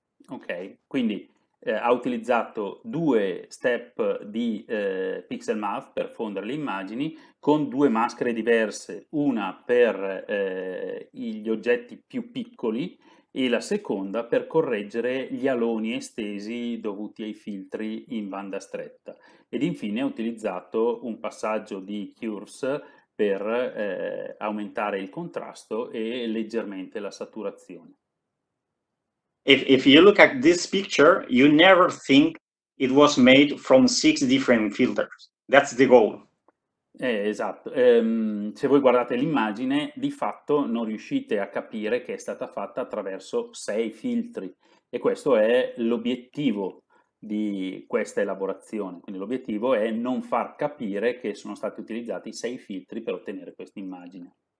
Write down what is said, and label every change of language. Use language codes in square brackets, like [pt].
[it] Okay, quindi ha utilizzato due step di pixel mask per fondere le immagini con due maschere diverse, una per gli oggetti più piccoli e la seconda per correggere gli aloni estesi dovuti ai filtri in banda stretta. Ed infine ha utilizzato un passaggio di curves per aumentare il contrasto e leggermente la saturazione. [en] If you look at this picture, you never think it was made from six different filters. That's the goal. [it] Esatto, se voi guardate l'immagine, di fatto non riuscite a capire che è stata fatta attraverso sei filtri e questo è l'obiettivo. di questa elaborazione. Quindi l'obiettivo è non far capire che sono stati utilizzati sei filtri per ottenere questa immagine.